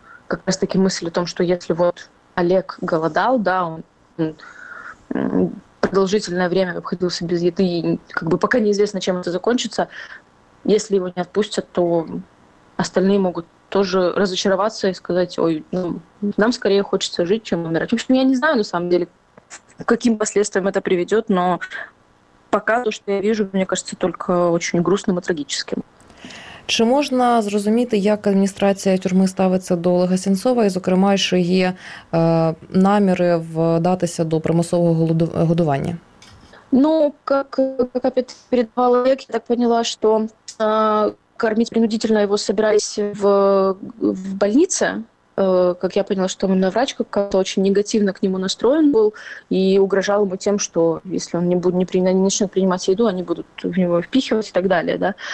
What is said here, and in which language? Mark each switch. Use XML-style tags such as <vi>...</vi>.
<ru>Как раз таки мысль о том, что если вот Олег голодал, да, он продолжительное время обходился без еды, и как бы пока неизвестно, чем это закончится, если его не отпустят, то остальные могут тоже разочароваться и сказать, ой, ну, нам скорее хочется жить, чем умирать. В общем, я не знаю, на самом деле, к каким последствиям это приведет, но пока то, что я вижу, мне кажется, только очень грустным и трагическим.</ru> <uk>Чи можна зрозуміти, як адміністрація тюрми ставиться до Олега Сенцова, і, зокрема, що є наміри вдатися до примусового годування? Ну, як передавала Олег,</uk> <ru>я так поняла,</ru> <uk>що кормити принудительно його збиралися в больниці.</uk> <ru>Как я поняла, что именно врач как-то очень негативно к нему настроен был и угрожал ему тем, что если он не начнет принимать еду, они будут в него впихивать и так далее. Да?</ru>